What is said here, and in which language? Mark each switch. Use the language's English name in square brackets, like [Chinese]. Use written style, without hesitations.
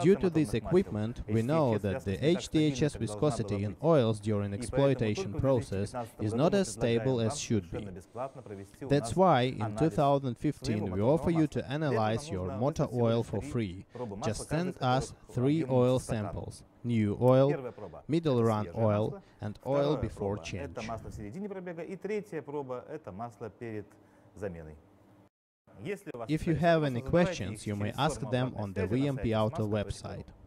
[English] Due to this equipment, we know that the HTHS viscosity in oils during exploitation process is not as stable as should be. That's why in 2015 we offer you to analyze your motor oil for free. Just send us three oil samples. New oil, middle run oil, and oil before change. [Russian] Это масло в середине пробега, и третья проба – это масло перед заменой. [English] If you have any questions, you may ask them on the VMPAUTO website.